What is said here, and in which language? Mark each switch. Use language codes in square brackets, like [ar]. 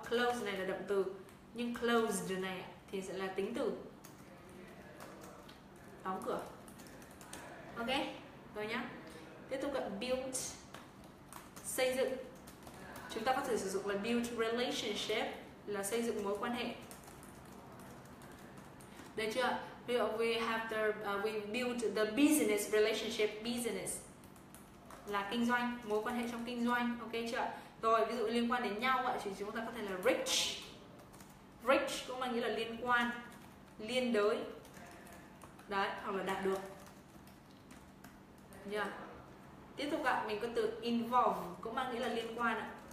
[vi] Closed này là động từ, nhưng closed này thì sẽ là tính từ, đóng cửa. Ok, rồi nhá. Tiếp tục là build, xây dựng. Chúng ta có thể sử dụng là build relationship, là xây dựng mối quan hệ. Được chưa? [en] Ví dụ we have the we build the business relationship. [vi] Business là kinh doanh, mối quan hệ trong kinh doanh. Ok chưa? Rồi, ví dụ liên quan đến nhau ạ, thì chúng ta có thể là rich. Rich cũng mang nghĩa là liên quan, liên đới. Đấy, hoặc là đạt được. Yeah. Tiếp tục ạ, mình có từ involve cũng mang nghĩa là liên quan ạ.